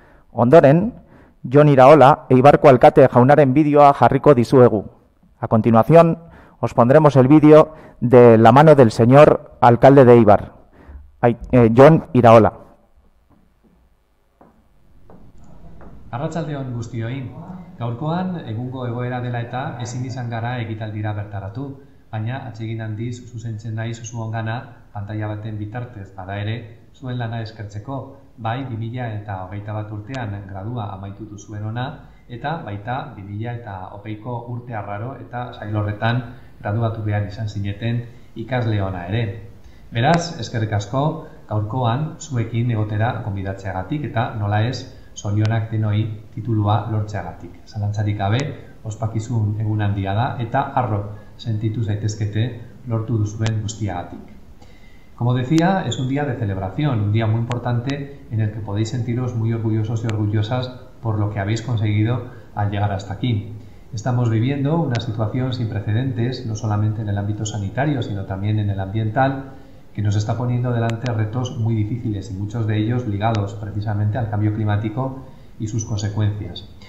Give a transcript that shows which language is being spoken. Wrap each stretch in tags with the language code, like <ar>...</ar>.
<eu>Ondoren, Jon Iraola e Ibarko Alkate jaunaren bideoa jarriko dizuegu.</eu> <es>A continuación, os pondremos el vídeo de la mano del señor alcalde de Eibar, Jon Iraola.</es> <eu>Arratsaldeon guztioi. Gaurkoan, egungo egoera dela eta ezin izan gara ekitaldira bertaratu, baina atsegin handiz zuzentzen naiz zuongana pantaila baten bitartez, bada ere, zuen lana eskertzeko, bai 2021 urtean gradua amaitutu zuen ona, eta baita 2020ko urte arraro eta sail horretan graduatu behar izan zineten ikasle ona ere. Beraz, eskerrik asko, gaurkoan zuekin egotera gonbidatzeagatik eta nola ez, zorionak denoi titulua lortzeagatik. Zalantzarik gabe, ospakizun egun handia da eta harro sentitu zaitezkete lortu duzuen guztiagatik.</eu> <es>Como decía, es un día de celebración, un día muy importante en el que podéis sentiros muy orgullosos y orgullosas por lo que habéis conseguido al llegar hasta aquí. Estamos viviendo una situación sin precedentes, no solamente en el ámbito sanitario, sino también en el ambiental, que nos está poniendo delante retos muy difíciles y muchos de ellos ligados precisamente al cambio climático y sus consecuencias.</es>